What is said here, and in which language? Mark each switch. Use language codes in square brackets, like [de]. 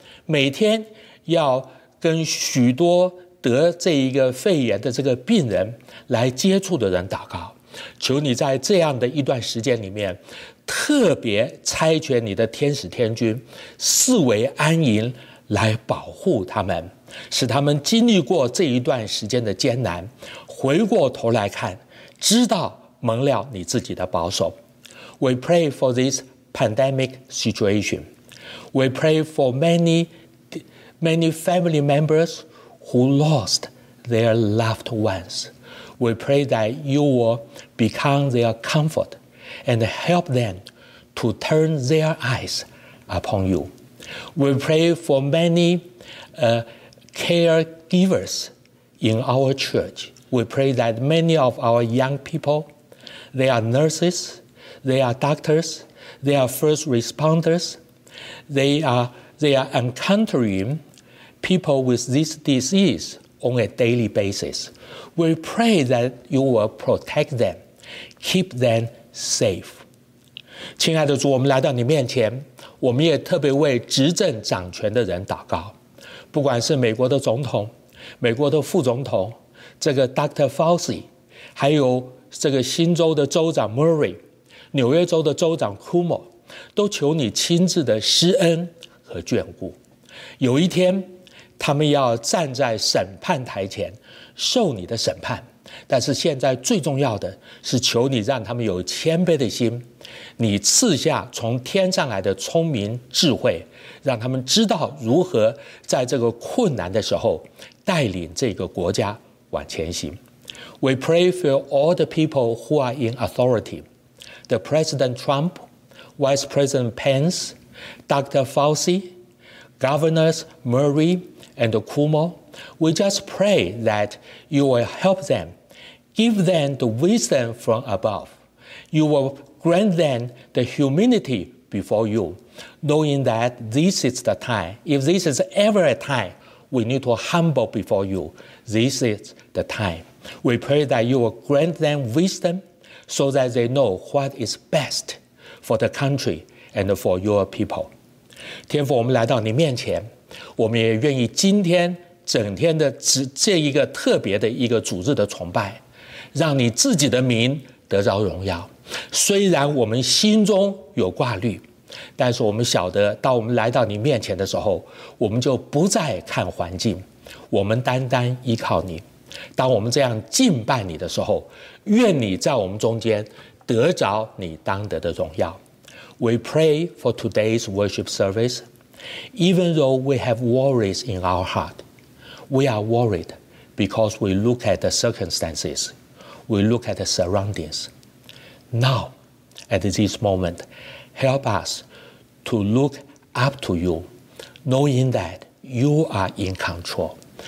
[zh] 每天要跟许多得这一个肺炎的这个病人来接触的人祷告，求你在这样的一段时间里面特别差遣你的天使天君四围安营来保护他们，使他们经历过这一段时间的艰难，回过头来看，知道蒙了你自己的保守。 [en] We pray for this pandemic situation. We pray for many family members who lost their loved ones. We pray that you will become their comfort and help them to turn their eyes upon you. We pray for many caregivers in our church. We pray that many of our young people, they are nurses, they are doctors, they are first responders, they are encountering people with this disease on a daily basis. We pray that you will protect them, keep them safe. [zh] 亲爱的主，我们来到你面前，我们也特别为执政掌权的人祷告，不管是美国的总统、美国的副总统这个 Dr. Fauci， 还有这个新州的州长 Murray， 纽约州的州长 Cuomo， 都求你亲自的施恩和眷顾。有一天他们要站在审判台前受你的审判，但是现在最重要的是求你让他们有谦卑的心，你赐下从天上来的聪明智慧，让他们知道如何在这个困难的时候带领这个国家往前行。 [en] We pray for all the people who are in authority, the President Trump, Vice President Pence, Dr. Fauci, Governors Murray and Cuomo. We just pray that you will help them, give them the wisdom from above. You will grant them the humility before you, knowing that this is the time, if this is ever a time,We need to humble before you. This is the time. We pray that you will grant them wisdom so that they know what is best for the country and for your people. [zh] 天父，我们来到你面前，我们也愿意今天整天的这一个特别的一个主日的崇拜，让你自己的名得着荣耀。虽然我们心中有挂虑，但是我们晓得，当我们来到你面前的时候，我们就不再看环境，我们单单依靠你。当我们这样敬拜你的时候，愿你在我们中间得着你当得的荣耀。 [en] We pray for today's worship service. Even though we have worries in our heart, we are worried because we look at the circumstances, we look at the surroundings. Now, at this momentHelp us to look up to you, knowing that you are in control.